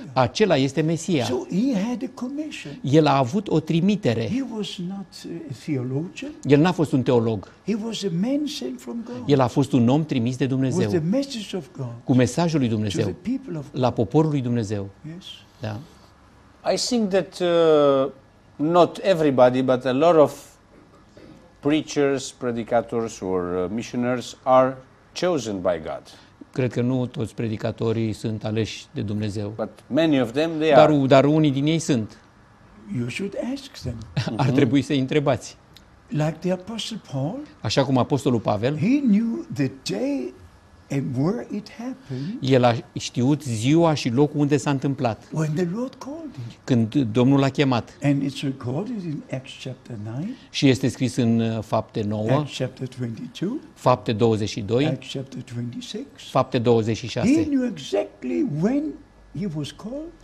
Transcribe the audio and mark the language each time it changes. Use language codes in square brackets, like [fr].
[ro] Acela este Mesia. [en] So he had a commission. [ro] El a avut o trimitere. [en] He was not a theologian. [ro] El n-a fost un teolog. [en] He was a man sent from God. [ro] El a fost un om trimis de Dumnezeu. [en] With the message of God. [ro] Cu mesajul lui Dumnezeu. [en] To the people of God. [ro] La poporul lui Dumnezeu. [en] Yes. [ro] Da. [en] I think that not everybody, but a lot of preachers, predicators or missionaries are chosen by God. [ro] Cred că nu toți predicatorii sunt aleși de Dumnezeu. [en] But many of them they are. [ro] Dar unii din ei sunt. [en] You should ask them. [ro] Ar trebui să-i întrebați. [en] Like the Apostle Paul, [ro] așa cum apostolul Pavel, [en] he knew the day and where it happened. [ro] El a știut ziua și locul unde s-a întâmplat. [en] When the Lord called him. [ro] Când Domnul l-a chemat. [en] And it's recorded in Acts chapter 9. [ro] Și este scris în Fapte 9. [en] Acts chapter 22. [ro] Fapte 22. [en] Acts chapter 26. [ro] Fapte 26. [en] He knew exactly when he was called.